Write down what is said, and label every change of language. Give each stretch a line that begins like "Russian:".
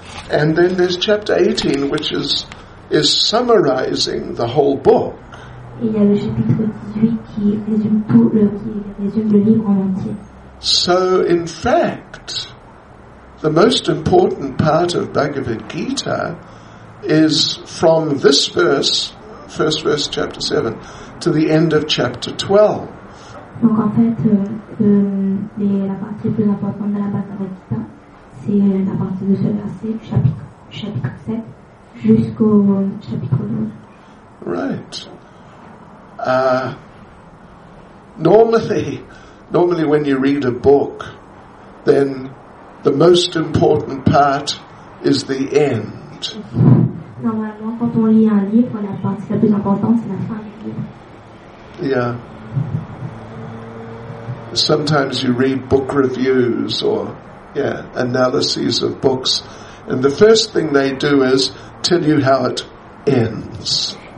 English: And then there's chapter 18, which is summarizing the whole book.
French: Il y a le chapitre 18 qui résume le livre en entier.
English: So, in fact, the most important part of Bhagavad Gita is from this verse, first verse, chapter 7, to the end of chapter 12.
French: Donc, en fait, la partie plus importante de la Bhagavad Gita, c'est la partie de ce verset, chapitre 7, jusqu'au chapitre 12.
English: Right. Normally when you read a book, then the most important part is the end.
French: Normalement, quand on lit un livre, la partie la plus importante, c'est la fin du livre.
English: Yeah. Sometimes you read book reviews or analyses of books, and the first thing they do is tell you how it ends.